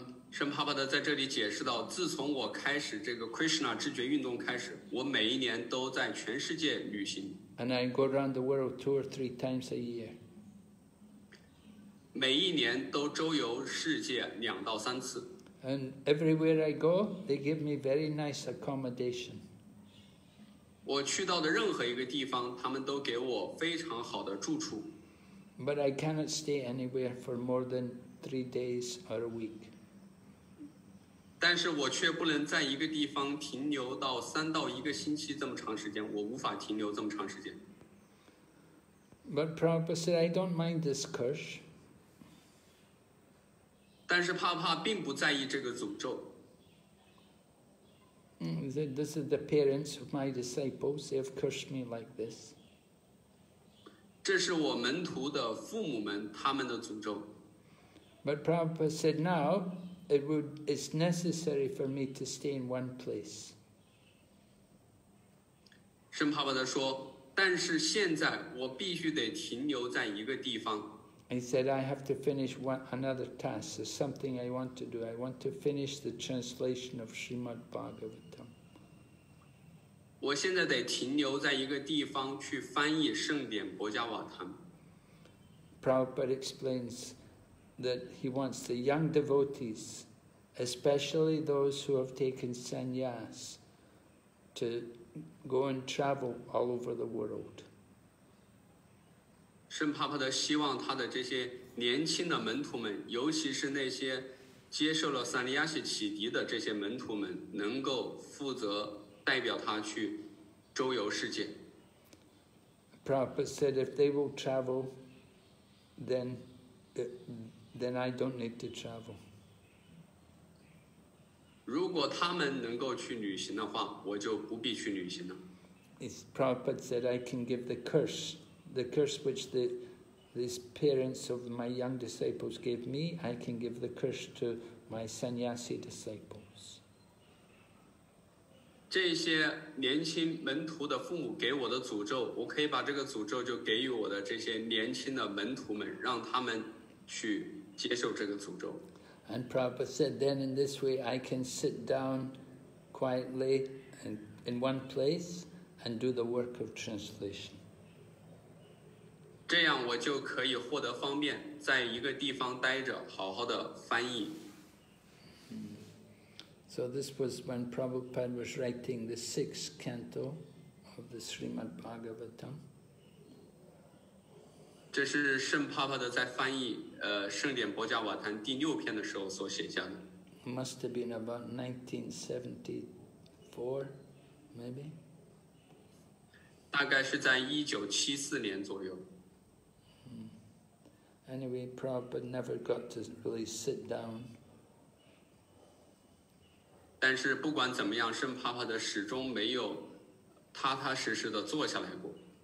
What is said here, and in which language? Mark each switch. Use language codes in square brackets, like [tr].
[zh] 圣帕帕德在这里解释到，自从我开始这个 Krishna 知觉运动开始，我每一年都在全世界旅行。 [en] And I go around the world two or three times a year. [zh] 每一年都周游世界两到三次。 [en] And everywhere I go, they give me very nice accommodation. [zh] 我去到的任何一个地方，他们都给我非常好的住处。 [en] But I cannot stay anywhere for more than 3 days or a week. [zh] 但是我却不能在一个地方停留到三到一个星期这么长时间，我无法停留这么长时间。 [en] But Prabhupada said, I don't mind this curse. [zh] 但是帕帕并不在意这个诅咒。 [en] He said, this is the parents of my disciples. They have cursed me like this. [zh] 这是我门徒的父母们他们的诅咒。 [en] But Prabhupada said, now it's necessary for me to stay in one place. [zh] 圣帕巴达说，但是现在我必须得停留在一个地方。 [en] He said, I have to finish another task. There's something I want to do. I want to finish the translation of Srimad Bhagavatam. [zh] 我现在得停留在一个地方去翻译圣典博迦瓦坛。 [en] Prabhupada explains that he wants the young devotees, especially those who have taken sannyas, to go and travel all over the world. [zh] 圣帕帕德希望他的这些年轻的门徒们，尤其是那些接受了萨利亚西启迪的这些门徒们，能够负责代表他去周游世界。 [en] Prabhupada said, if they will travel, then I don't need to travel. [zh] 如果他们能够去旅行的话，我就不必去旅行了。 [en] Prabhupada said, I can give the curse which these parents of my young disciples gave me, I can give the curse to my sannyasi disciples. [zh] 这些年轻门徒的父母给我的诅咒，我可以把这个诅咒就给予我的这些年轻的门徒们，让他们去接受这个诅咒。 [en] And Prabhupada said, then in this way, I can sit down quietly and in one place and do the work of translation. [zh] 这样我就可以获得方便，在一个地方待着，好好的翻译。 [en] So this was when Prabhupada was writing the sixth canto of the Srimad Bhagavatam. [zh] 这是圣帕帕德在翻译圣典博迦瓦坛第六篇的时候所写下的。 [en] Must have been about 1974, maybe. [zh] 大概是在1974年左右。 [en] Anyway, Prabhupada never got to really sit down. [zh] 但是不管怎么样，圣帕帕德始终没有踏踏实实的坐下来过。